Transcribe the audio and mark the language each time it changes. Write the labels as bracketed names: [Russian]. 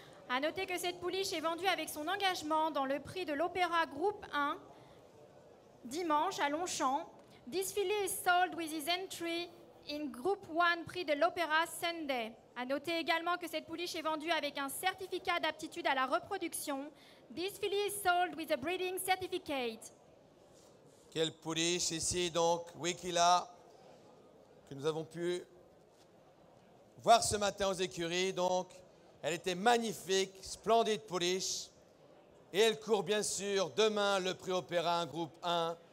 [French] A noter que cette pouliche est vendue avec son engagement dans le prix de l'Opéra Groupe 1, dimanche à Longchamp. [English] This filly is sold with his entry in Group 1 prix de l'Opéra Sunday. [French] À noter également que cette pouliche est vendue avec un certificat d'aptitude à la reproduction. [English] This filly is sold with a breeding certificate. [French] Quelle pouliche ici donc, Wikila, que nous avons pu voir ce matin aux écuries. Donc, elle était magnifique, splendide pouliche. Et elle court bien sûr demain le prix Opéra, un groupe 1.